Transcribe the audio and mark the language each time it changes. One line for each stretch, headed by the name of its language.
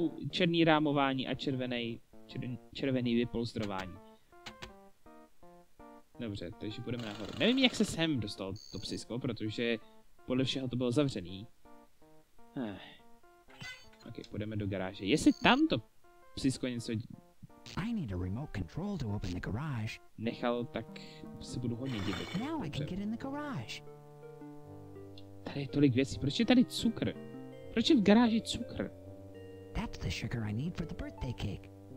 Czech: Černý rámování a červený vypolstrování. Dobře, takže půjdeme nahoru. Nevím, jak se sem dostal to psisko, protože podle všeho to bylo zavřený. Ok, půjdeme do garáže. Jestli tam to psisko něco...
English: I need a remote control to open the garage.
Czech: Nechal, tak se budu hodně divit.
English: Now I can get in the garage.
Czech: Tady je tolik věcí. Proč je tady cukr? Proč je v garáži cukr?
English: That's the sugar I need for the birthday cake.